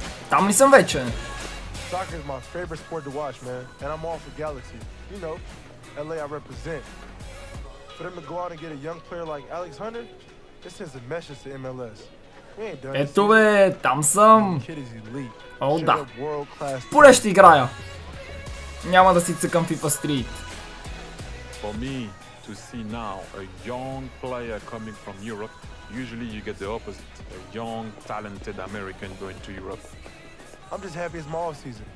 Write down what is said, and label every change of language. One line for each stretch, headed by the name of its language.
Bulgarian: Там ли съм вече?
English: Soccer is my favorite sport to watch, man. And I'm all for Galaxy. You know, LA I represent. For them to go out and get a young player like Alex Hunter, this sends a message to MLS. We ain't done.
Bulgarian: Ето бе, там съм.
English: Kid is elite. Oh, да.
Bulgarian: Поле ще играя. Няма да си цъкам FIFA Street.
English: For me to to see now a young player coming from Europe. Usually you get the opposite, a young, talented American going to Europe. I'm just happy it's my off season.